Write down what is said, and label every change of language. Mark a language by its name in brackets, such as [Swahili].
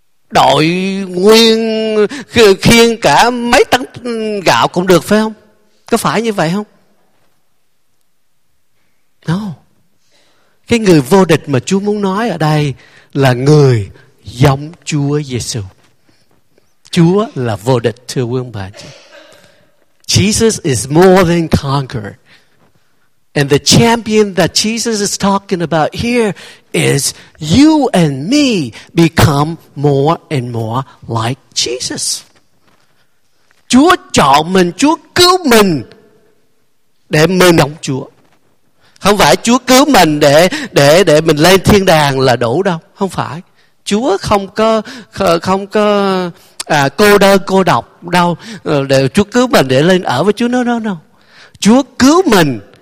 [Vietnamese] Đội nguyên khiêng cả mấy tấn gạo cũng được phải không? Có phải như vậy không? No. Cái người vô địch mà Chúa muốn nói ở đây là người giống Chúa Giê-xu. Chúa là vô địch, thưa quý ông bà. [English] Jesus is more than conqueror. And the champion that Jesus is talking about here is you and me become more and more like Jesus. [Vietnamese] Chúa chọn mình, Chúa cứu mình để mời ông Chúa. Không phải Chúa cứu mình để mình lên thiên đàng là đủ đâu. Không phải. Chúa không có cô đơn cô độc đâu. Để Chúa cứu mình để lên ở với Chúa. No. Chúa cứu mình.